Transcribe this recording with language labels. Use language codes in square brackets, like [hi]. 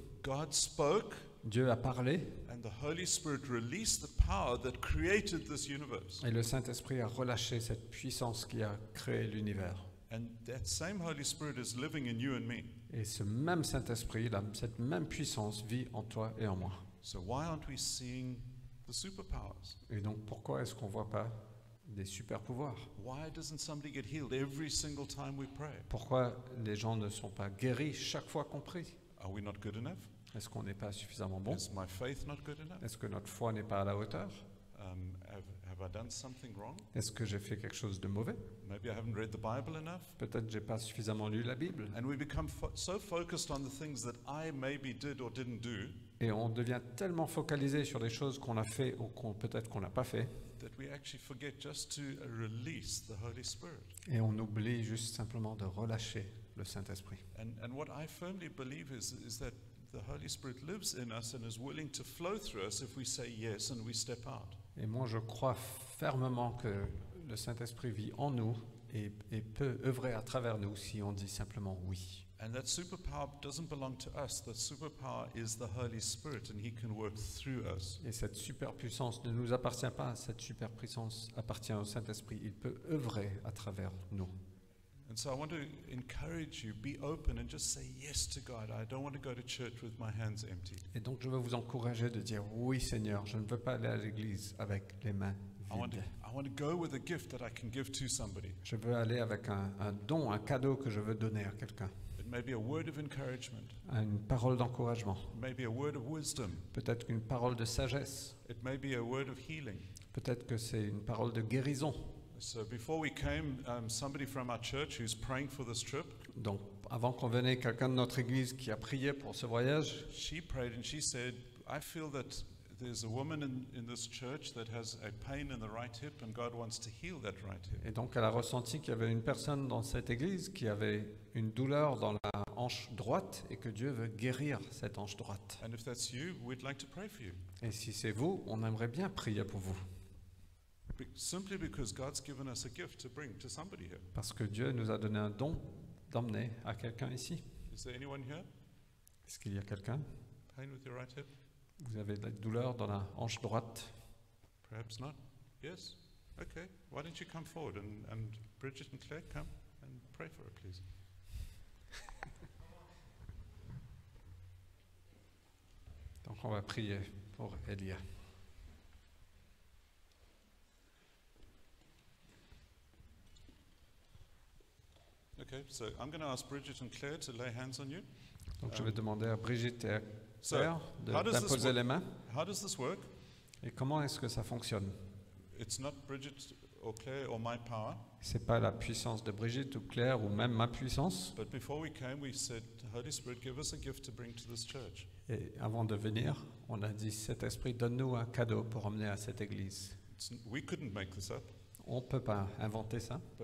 [en] God spoke, [fr] Dieu a parlé, [en] and the Holy Spirit released the power that created this universe. [fr] Et le Saint-Esprit a relâché cette puissance qui a créé l'univers. [en] And that same Holy Spirit is living in you and me. [fr] Et ce même Saint-Esprit, cette même puissance vit en toi et en moi. [en] So why aren't we seeing the superpowers? [fr] Et donc pourquoi est-ce qu'on voit pas des super pouvoirs? [en] Why doesn't somebody get healed every single time we pray? [fr] Pourquoi les gens ne sont pas guéris chaque fois qu'on prie? [en] Are we not good enough? [fr] Est-ce qu'on n'est pas suffisamment bon? [en] Is my faith not good enough? [fr] Est-ce que notre foi n'est pas à la hauteur? [en] Have I done something wrong? [fr] Est-ce que j'ai fait quelque chose de mauvais? [en] Maybe I haven't read the Bible enough. [fr] Peut-être j'ai pas suffisamment lu la Bible. [en] And we become so focused on the things that I maybe did or didn't do. [fr] Et on devient tellement focalisé sur les choses qu'on a fait ou peut-être qu'on n'a pas fait. [en] That we actually forget just to release the Holy Spirit. [fr] Et on oublie juste simplement de relâcher le Saint-Esprit. [en] And what I firmly believe is that the Holy Spirit lives in us and is willing to flow through us if we say yes and we step out. [fr] Et moi je crois fermement que le Saint-Esprit vit en nous et peut œuvrer à travers nous si on dit simplement oui. [en] And that superpower doesn't belong to us. The superpower is the Holy Spirit and he can work through us. [fr] Et cette superpuissance ne nous appartient pas. Cette superpuissance appartient au Saint-Esprit. Il peut œuvrer à travers nous. [en] And so I want to encourage you, be open and just say yes to God. I don't want to go to church with my hands empty. [fr] Et donc je veux vous encourager de dire oui Seigneur, je ne veux pas aller à l'église avec les mains vides. [en] I want to go with a gift that I can give to somebody. [fr] Je veux aller avec un don, un cadeau que je veux donner à quelqu'un. [en] Maybe a word of encouragement. [fr] Une parole d'encouragement. [en] Maybe a word of wisdom. [fr] Peut-être une parole de sagesse. [en] It may be a word of healing. [fr] Peut-être que c'est une parole de guérison. [en] So before we came, somebody from our church who's praying for this trip. [fr] Donc avant qu'on venait, quelqu'un de notre église qui a prié pour ce voyage. [en] She prayed and she said, I feel that there's a woman in this church that has a pain in the right hip and God wants to heal that right hip. [fr] Et donc elle a ressenti qu'il y avait une personne dans cette église qui avait une douleur dans la hanche droite et que Dieu veut guérir cette hanche droite. [en] And if that's you, we'd like to pray for you. [fr] Et si c'est vous, on aimerait bien prier pour vous. [en] Simply because God's given us a gift to bring to somebody here. [fr] Parce que Dieu nous a donné un don d'emmener à quelqu'un ici. [en] Is there anyone here? [fr] Est-ce qu'il y a quelqu'un? [en] Pain with your right hip? [fr] Vous avez de la douleur dans la hanche droite? [en] Perhaps not. Yes. Okay. Why don't you come forward and Bridget and Claire come and pray for her, please. [fr] Donc on va prier pour Elia. [en] OK. Okay, so I'm going to ask Bridget and Claire to lay hands on you. [fr] Donc je vais demander à Bridget et à Claire d'imposer les mains. [en] How does this work? [fr] Et comment est-ce que ça fonctionne? [en] It's not Bridget or Claire or my power. [fr] C'est pas la puissance de Bridget ou Claire ou même ma puissance. [en] But before we came, we said, Holy Spirit, give us a gift to bring to this church. [fr] Et avant de venir, on a dit, Saint-Esprit, donne-nous un cadeau pour emmener à cette église. [en] We couldn't make this up. [fr] On ne peut pas inventer ça.